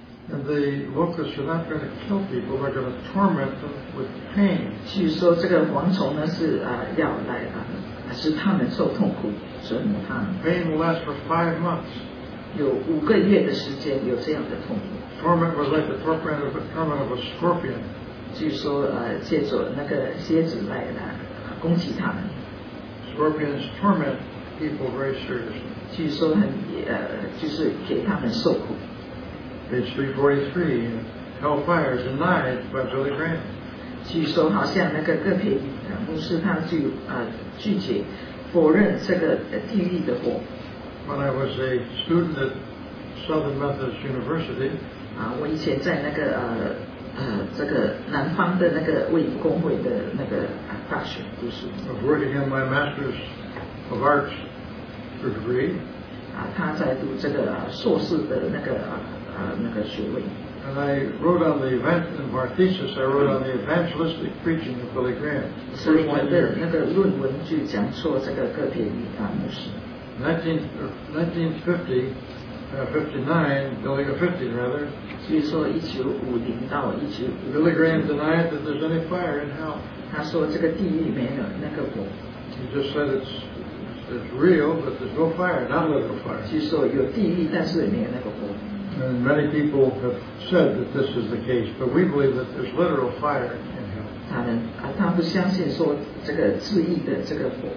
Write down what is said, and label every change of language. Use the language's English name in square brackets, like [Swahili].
[English] And the locusts are not going to kill people, they're going to torment them with pain. [Chinese] 据说这个蝗虫呢是要来使他们受痛苦，折磨他们。 [English] Pain will last for 5 months. [Chinese] 有五个月的时间有这样的痛苦。 [English] Torment was like the torment of a scorpion. [Chinese] 据说借着那个蝎子来攻击他们。 [English] Scorpions torment people very seriously. [Chinese] 据说很就是给他们受苦。 [English] Page 343, Hellfire is denied by Billy Graham. [Chinese] 据说好像那个戈培牧师他就拒绝否认这个地狱的火。 [English] When I was a student at Southern Methodist University, [Chinese] 我以前在那个这个南方的那个卫理公会的那个大学读书。 [English] I was working in my Master's of Arts degree. [Chinese] 他在读这个硕士的那个那个学位。 [English] And I wrote on the event in my thesis, I wrote on the evangelistic preaching of Billy Graham. So the [Chinese] 那个论文就讲说这个戈培牧师。 [English] 1950 [Chinese] 所以说1950到1950。 [English] Billy Graham denied that there's any fire in hell. [Chinese] 他说这个地狱没有那个火。 [English] He just said it's real, but there's no fire, not literal fire. [Chinese] 据说有地狱，但是没有那个火。 [English] And many people have said that this is the case, but we believe that there's literal fire in hell. [Chinese] 他不相信说这个自意的这个火。